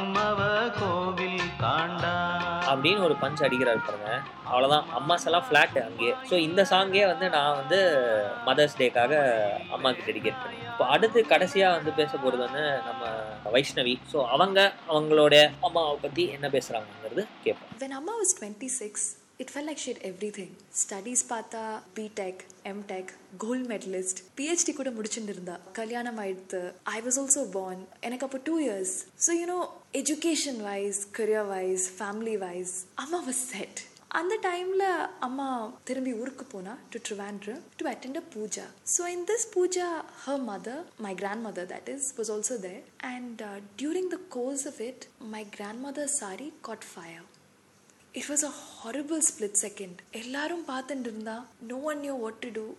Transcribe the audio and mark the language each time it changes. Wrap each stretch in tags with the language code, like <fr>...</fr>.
<ta>அப்படின்னு ஒரு பஞ்ச் அடிக்கிறாரு பாருங்க, அவ்வளவுதான். அம்மா செல்லாம் ஃபிளாட் அங்கே. ஸோ இந்த சாங்கே வந்து நான் வந்து மதர்ஸ் டேக்காக அம்மாவுக்கு டெடிகேட் பண்ணேன். இப்போ அடுத்து கடைசியா வந்து பேச போறது வந்து நம்ம வைஷ்ணவி. ஸோ அவங்க அவங்களோட அம்மாவை பத்தி என்ன பேசுறாங்கிறது கேட்போம்.</ta> <en>When அம்மா was 26, it felt like she had everything.</en> <ta>Studies paatha,</ta> <en>B.Tech, M.Tech, gold medalist, PhD</en> <ta>kuda mudichindirunda, kalyanam aayidhu.</ta> <en>I was also born,</en> <ta>enak appo</ta> <en>2 years. So, you know, education-wise, career-wise, family-wise, amma was set.</en> <ta>அந்த டைமில் அம்மா திரும்பி ஊருக்கு போனா</ta> <en>To Trivandrum to attend a puja. So in this puja her mother, my grandmother that is, was also there. And during the course of it my grandmother sari caught fire. It was a horrible split second.</en> <ta>எல்லாரும் பார்த்துட்டு இருந்தா,</ta> <en>No one knew what to do.</en>